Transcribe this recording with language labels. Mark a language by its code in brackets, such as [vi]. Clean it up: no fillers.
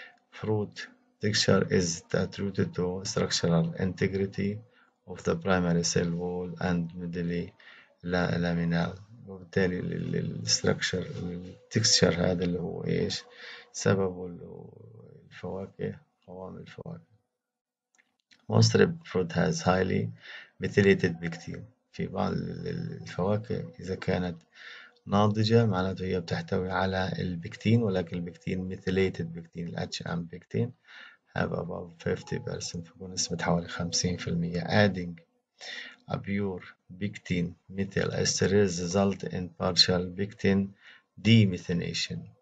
[en] fruit texture is attributed to structural integrity of the primary cell wall and medullary laminal. [ar] وبالتالي الستركشر التكستشر هذا اللي هو ايش سبب الفواكه قوام الفواكه. [en] most fruit has highly methylated pectin. [ar] في بعض الفواكه اذا كانت ناضجه معناته هي بتحتوي على البكتين، ولكن البكتين ميثيليتد بكتين الاتش ام بكتين. [en] have above 50%، [ar] فوق نسبة حوالي 50%. [en] adding a pure pectin methyl ester result in partial pectin demethylation.